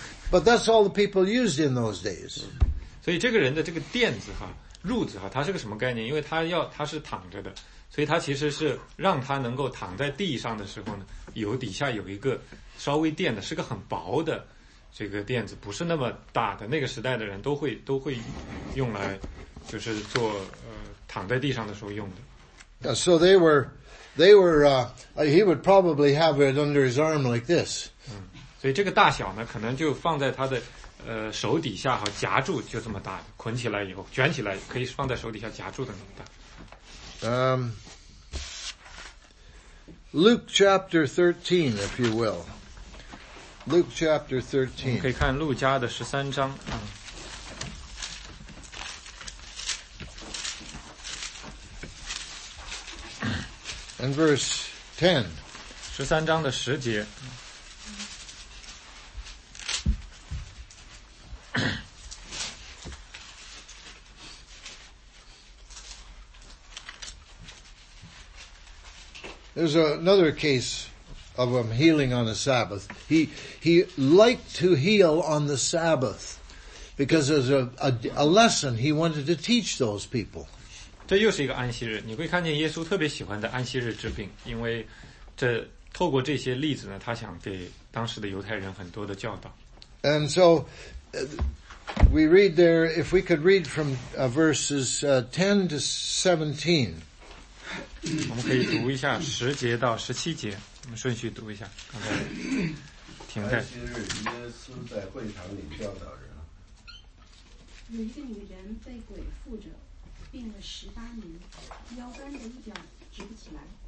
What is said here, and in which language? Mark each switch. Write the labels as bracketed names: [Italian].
[English] But that's all the people used in those days. [Chinese] 所以这个人的这个垫子哈，褥子哈，它是个什么概念？因为他是躺着的，所以他其实是让他能够躺在地上的时候呢，有底下有一个稍微垫的，是个很薄的这个垫子，不是那么大的。那个时代的人都会用来就是做躺在地上的时候用的。 [English] So he would probably have it under his arm like this. [Chinese] 所以这个大小呢，可能就放在他的手底下哈，夹住就这么大，捆起来以后卷起来，可以放在手底下夹住的那么大。 [English] Luke chapter 13, if you will. Luke chapter 13. [Chinese] 我们可以看路加的十三章。 [English] And verse 10. [Chinese] 十三章的十节。 [English] There's another case of him healing on the Sabbath. He liked to heal on the Sabbath because there's a lesson he wanted to teach those people. [Chinese] 这又是一个安息日，你会看见耶稣特别喜欢的安息日治病，因为这透过这些例子呢，他想给当时的犹太人很多的教导。 [English] And so we read there, if we could read from verses 10 to 17. [Chinese] 我们可以读一下十节到十七节，我们顺序读一下。刚才停在。安息日，耶稣在会堂里教导人。有一个女人被鬼附着，病了十八年，腰杆的一角直不起来。